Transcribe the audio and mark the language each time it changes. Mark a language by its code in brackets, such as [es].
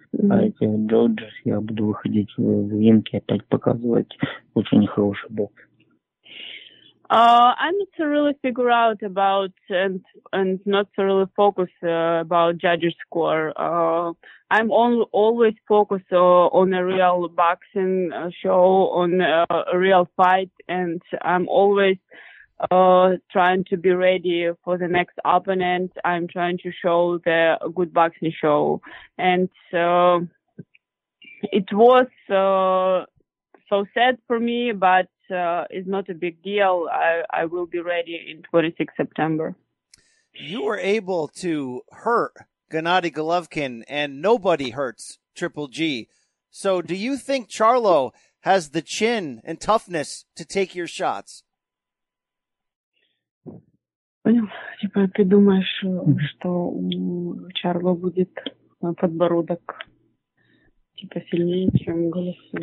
[ru] А этих джоджерс я буду выходить в ринг и опять показывать очень хороший бокс. [en] I'm not really figure out about and not really focus about judges' score. I'm always focus on a real boxing show, on a real fight, and I'm always trying to be ready for the next opponent. I'm trying to show the good boxing show. And it was so sad for me, but it's not a big deal. I will be ready in 26 September. You were able to hurt Gennady Golovkin, and nobody hurts Triple G. So do you think Charlo has the chin and toughness to take your shots? [ru] Понял? Типа, ты думаешь, что у Чарло будет подбородок типа сильнее, чем голос?